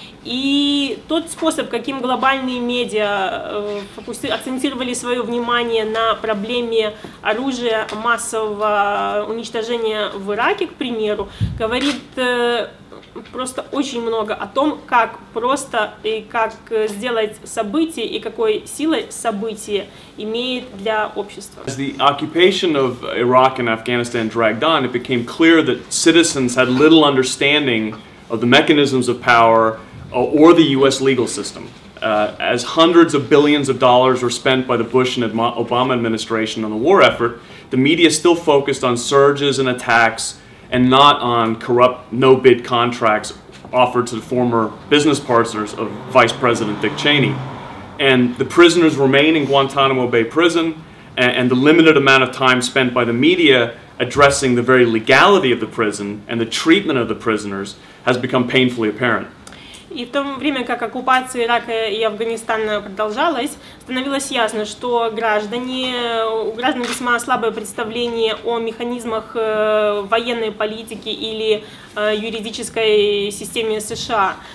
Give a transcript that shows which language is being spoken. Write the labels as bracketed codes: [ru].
[ru] И тот способ, каким глобальные медиа акцентировали свое внимание на проблеме оружия массового уничтожения в Ираке, к примеру, говорит просто очень много о том, как просто и как сделать событие, и какой силой событие имеет для общества. [en] As the occupation of Iraq and Afghanistan dragged on, it became clear that citizens had little understanding of the mechanisms of power or the U.S. legal system. As hundreds of billions of dollars were spent by the Bush and Obama administration on the war effort, the media still focused on surges and attacks and not on corrupt no-bid contracts offered to the former business partners of Vice President Dick Cheney. And the prisoners remain in Guantanamo Bay Prison, and the limited amount of time spent by the media addressing the very legality of the prison and the treatment of the prisoners has become painfully apparent. [ru] И в то время, как оккупация Ирака и Афганистана продолжалась, становилось ясно, что у граждан весьма слабое представление о механизмах военной политики или юридической системе США.